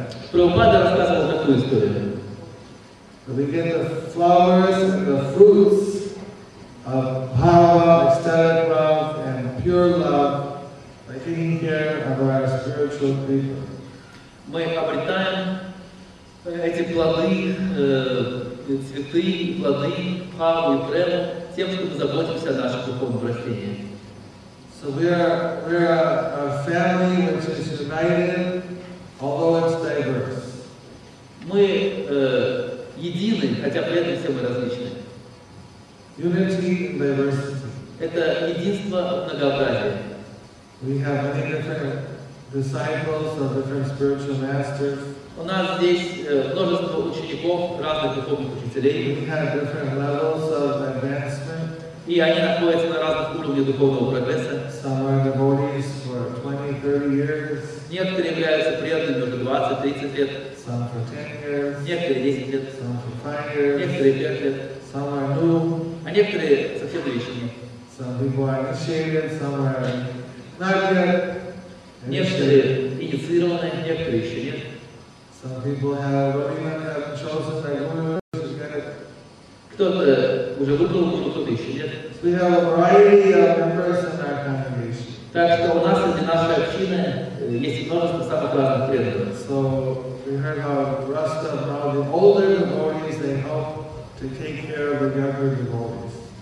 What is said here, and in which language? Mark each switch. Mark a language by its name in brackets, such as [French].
[Russian] Прабхупада рассказывал такую историю. [English] We get the flowers and the fruits of bhava, ecstatic love, and pure love by taking care of our spiritual people. [Russian] Мы обретаем эти плоды, цветы, плоды, бхаву и прему тем, что мы заботимся о наших духовных растениях. [English] So we are a family which is united, although it's diverse. [Russian] Мы едины, хотя при этом все мы различны. [English] Unity and diversity. [Russian] Это единство многообразия. [English] We have many different disciples of different spiritual masters. [Russian] У нас здесь множество учеников разных духовных учителей. [English] We have different levels of advancement. [Russian] И они находятся на разных уровнях духовного прогресса. [English] Some are devotees for 20-30 years. [Russian] Некоторые являются преданными уже 20-30 лет. [English] Some for 10 years. [Russian] Некоторые 10 лет. [English] Some for 5 years. [Russian] Некоторые 5 лет. [English] Some are new. [Russian] А некоторые совсем новичками. [English] Some people are initiated, some are not yet. [Russian] Некоторые инициированы, некоторые еще нет. [English] Some people have chosen their gurus. [Russian] Кто-то уже выбрал гуру, кто-то еще нет. [English] So we have a variety of members in our congregation. [Russian] Так что у нас среди нашей общины есть множество самых разных преданных. [English] So we heard how Rasta brought the older devotees, they help to take care of the younger devotees.